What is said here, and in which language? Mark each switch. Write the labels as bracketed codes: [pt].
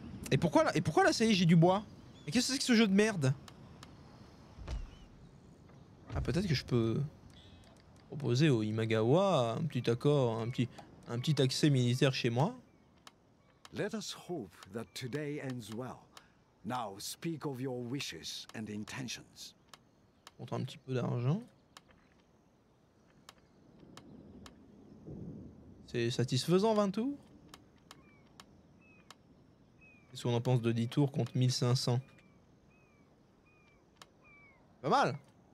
[fr] Et pourquoi là, ça y est, j'ai du bois ? Et qu'est-ce que c'est que ce jeu de merde ? Ah, peut-être que je peux proposer au Imagawa un petit accord, un petit accès militaire chez moi. [en] Let us hope that today ends well. Now speak of your wishes and intentions. [fr] Contre un petit peu d'argent. C'est satisfaisant 20 tours ? Qu'est-ce qu'on en pense de 10 tours contre 1500 ? Pas mal !